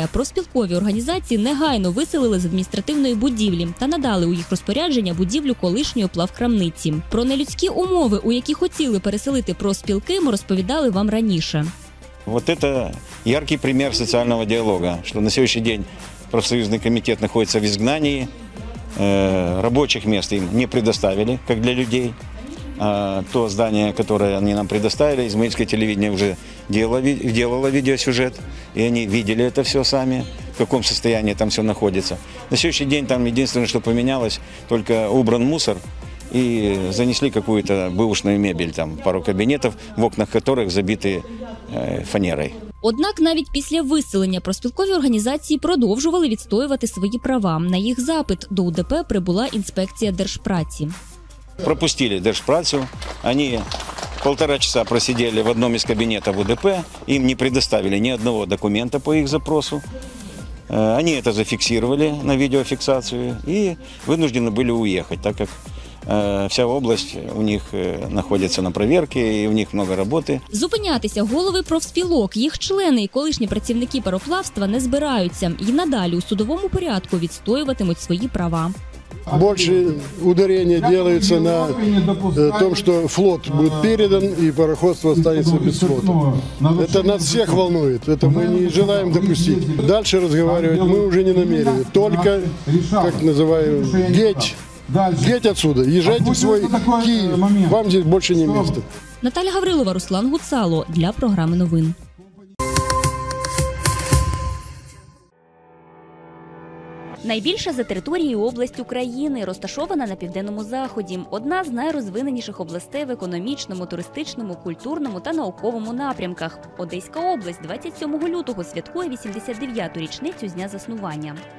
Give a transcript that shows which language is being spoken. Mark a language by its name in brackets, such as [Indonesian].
[Ukrainian] Профспілкові організації негайно виселили з адміністративної будівлі та надали у їх розпорядження будівлю колишньої плавкрамниці. Про нелюдські умови, у які хотіли переселити профспілки, ми розповідали вам раніше. [Russian] Вот это яркий пример социального диалога, что на сегодняшний день профсоюзный комитет находится в изгнании, рабочих мест им не предоставили, как для людей. То здание, которое они нам предоставили, измаильское телевидение уже делало видеосюжет, и они видели это все сами, в каком состоянии там все находится. На сегодняшний день там единственное, что поменялось, только убран мусор и занесли какую-то бэушную мебель, там пару кабинетов, в окнах которых забиты фанерой. [Ukrainian] Однак навіть після виселення профспілкові організації продовжували відстоювати свої права. На їх запит до УДП прибула інспекція Держпраці. [Russian] Пропустили Держпрацю, они полтора часа просидели в одном из кабинетов УДП, им не предоставили ни одного документа по их запросу. Они это зафиксировали на видеофиксацию и вынуждены были уехать, так как вся область у них находится на проверке и у них много работы. [Ukrainian] Зупинятися голови профспілок, їх члени і колишні працівники пароплавства не збираються і надалі у судовому порядку відстоюватимуть свої права. [Russian] Больше ударения делается на том, что флот будет передан и пароходство останется без флота. Это нас всех волнует, это мы не желаем допустить. Дальше разговаривать мы уже не намерены, только, как называю, геть отсюда, езжайте в свой Киев, вам здесь больше не место. Наталья Гаврилова, Руслан Гуцало для программы «Новин». [Ukrainian] Найбільша за територією область України, розташована на Південному Заході. Одна з найрозвиненіших областей в економічному, туристичному, культурному та науковому напрямках. Одеська область 27 лютого святкує 89-ту річницю з дня заснування.